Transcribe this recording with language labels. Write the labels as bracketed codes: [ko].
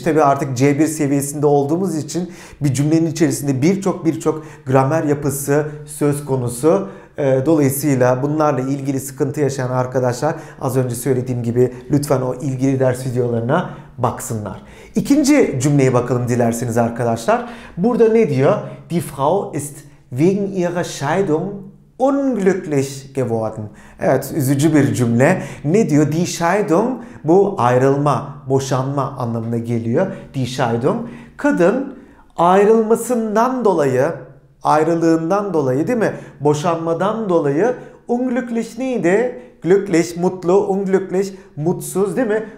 [tr] Tabii artık C1 seviyesinde olduğumuz için bir cümlenin içerisinde birçok gramer yapısı söz konusu. Dolayısıyla bunlarla ilgili sıkıntı yaşayan arkadaşlar az önce söylediğim gibi lütfen o ilgili ders videolarına baksınlar. İkinci cümleye bakalım dilerseniz arkadaşlar. Burada ne diyor? [de] Die Frau ist wegen ihrer Scheidung unglücklich geworden. [tr] Evet, üzücü bir cümle. Ne diyor? Die Scheidung, bu ayrılma, boşanma anlamına geliyor. Die Scheidung, kadın ayrılmasından dolayı, ayrılığından dolayı değil mi? Boşanmadan dolayı unglücklich neydi? Glücklich, mutlu, unglücklich, mutsuz değil mi?